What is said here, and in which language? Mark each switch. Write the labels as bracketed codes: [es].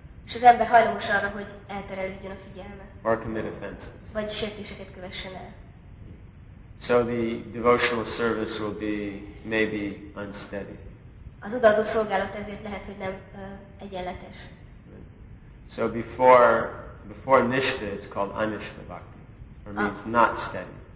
[hu] És az ember hajlamos arra, hogy elterelődjön a figyelme. [en] Or commit offenses. [hu] Vagy sértéseket kövessen el. [en] So the devotional service will be maybe unsteady. [hu] Az odaadó szolgálat ezért lehet, hogy nem egyenletes. [en] So before nishta, it's called anishta bhakti, or means not steady.